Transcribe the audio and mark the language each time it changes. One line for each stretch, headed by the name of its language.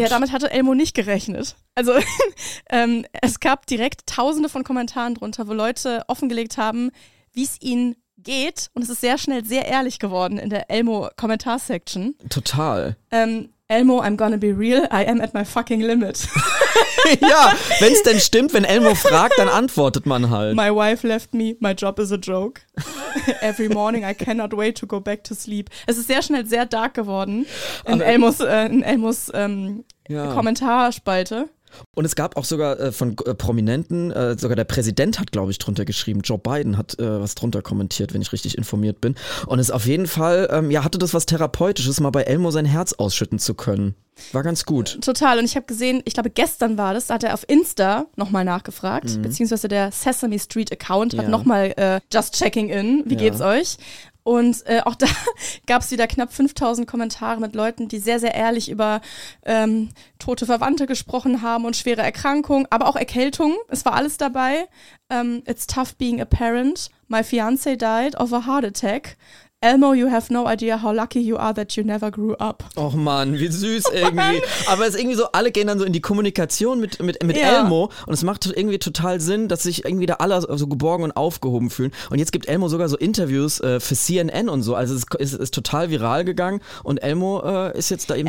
German: Ja, damit hatte Elmo nicht gerechnet. Also es gab direkt tausende von Kommentaren drunter, wo Leute offengelegt haben, wie es ihnen geht. Und es ist sehr schnell sehr ehrlich geworden in der Elmo-Kommentar-Section. Total.
English: Elmo, I'm gonna be real, I am at my fucking limit.
German: Ja, wenn es denn stimmt, wenn Elmo fragt, dann antwortet man halt.
English: My wife left me, my job is a joke. Every morning I cannot wait to go back to sleep.
German: Es ist sehr schnell sehr dark geworden in Elmos Kommentarspalte. Und es gab auch sogar von Prominenten, sogar der Präsident hat, glaube ich, drunter geschrieben. Joe Biden hat was drunter kommentiert, wenn ich richtig informiert bin. Und es auf jeden Fall, hatte das was Therapeutisches, mal bei Elmo sein Herz ausschütten zu können. War ganz gut. Total. Und ich habe gesehen, ich glaube gestern war das, da hat er auf Insta nochmal nachgefragt, beziehungsweise der Sesame Street Account hat nochmal
English: just checking in,
German: wie geht's euch? Und auch da gab es wieder knapp 5000 Kommentare mit Leuten, die sehr, sehr ehrlich über tote Verwandte gesprochen haben und schwere Erkrankungen, aber auch Erkältungen. Es war alles dabei.
English: It's tough being a parent. My fiance died of a heart attack. Elmo, you have no idea how lucky you are that you never grew up.
German: Och man, wie süß irgendwie. Aber es ist irgendwie so, alle gehen dann so in die Kommunikation mit Elmo und es macht irgendwie total Sinn, dass sich irgendwie da alle so geborgen und aufgehoben fühlen. Und jetzt gibt Elmo sogar so Interviews für CNN und so. Also es ist total viral gegangen und Elmo ist jetzt da eben